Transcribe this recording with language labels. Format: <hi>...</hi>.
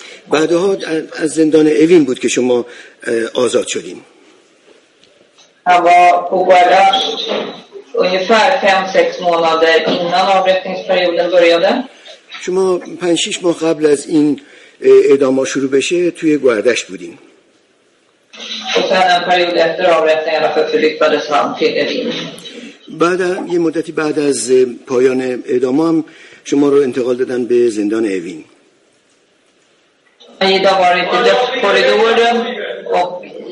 <fa>بعدها از زندان اوین بود که شما آزاد شدین.</fa> <sv>Han var på Guardasht ungefär 5-6 månader innan avrättningsperioden började.</sv> <fa>شما</fa> <sv>5-6 månader</sv> <fa>قبل از این اعدام ها شروع بشه توی Guardasht بودیم.</fa> <sv>Och sen en period efter avrättningarna förflyttades han till Evin.</sv> <fa>بعد یه مدتی بعد از پایان اعدام هم شما رو انتقال دادن به زندان Evin.</fa> <sv>Han har varit i dödskorridoren och</sv>